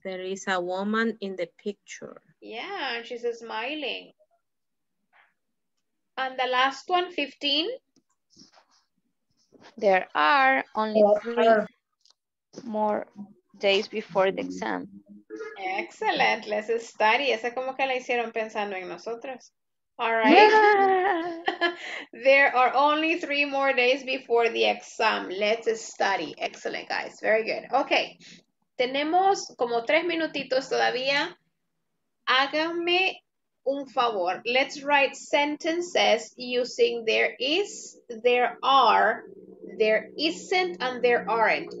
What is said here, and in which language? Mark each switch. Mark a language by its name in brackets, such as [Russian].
[English] a woman in the picture. Yeah, she's smiling. And the last one, 15. There are only three more days before the exam. Excellent. Let's study. [Spanish] Esa como que la hicieron pensando en nosotros. [English] All right. Yeah. There are only three more days before the exam. Let's study. Excellent, guys. Very good. Okay. [Spanish] Tenemos como tres minutitos todavía. Háganme un favor, [English] let's write sentences using there is, there are, there isn't, and there aren't.